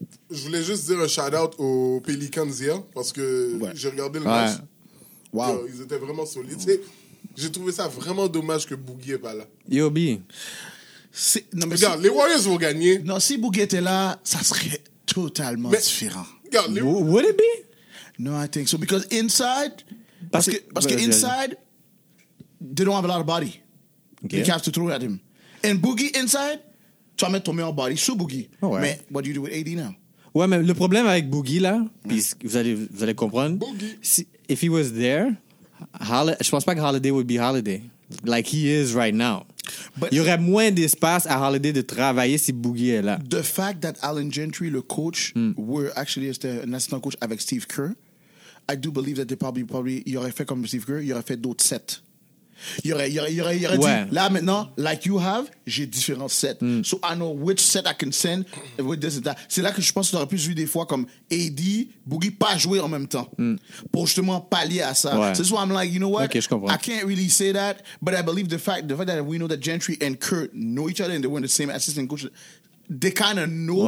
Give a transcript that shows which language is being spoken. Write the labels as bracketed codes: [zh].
[fr] Je voulais juste dire un shout-out aux Pelicans hier parce que j'ai regardé le match. Wow. Ils étaient vraiment solides. J'ai trouvé ça vraiment dommage que Boogie n'est pas là. Yo, B. Regarde, les Warriors vont gagner. Non, si Boogie était là, ça serait totalement différent. Regarde, les [en] Warriors. Would it be? No, I think so. Because inside, inside, they don't have a lot of body. Okay. You have to throw at him. And Boogie inside, [fr] tu vas mettre ton meilleur body sous Boogie. Oh ouais. [en] Mais what do you do with AD now? [fr] Ouais, mais le problème avec Boogie là, puis vous allez comprendre. Boogie. [en] Si, if he was there, [fr] je pense pas que [en] Holiday would be Holiday. Like he is right now. But [fr] il y aurait moins d'espace à Holiday de travailler si Boogie est là. [en] The fact that [fr] Alan Gentry, le coach, était un assistant coach avec Steve Kerr, [en] I do believe that they probably [fr] il aurait fait comme Steve Kerr, il aurait fait d'autres sets. Il aurait ouais. Dit, là maintenant, [en] like you have, [fr] j'ai différents sets. Mm. [en] So I know which set I can send with this and that. [fr] C'est là que je pense qu'on aurait pu jouer des fois comme AD, Boogie, pas jouer en même temps. Mm. Pour justement pallier à ça. Ouais. C'est ça, [en] I'm like, you know what? [fr] Okay, je comprends. [en] I can't really say that, but I believe the fact that we know that Gentry and Kurt know each other and they were in the same assistant coach, they kind of know.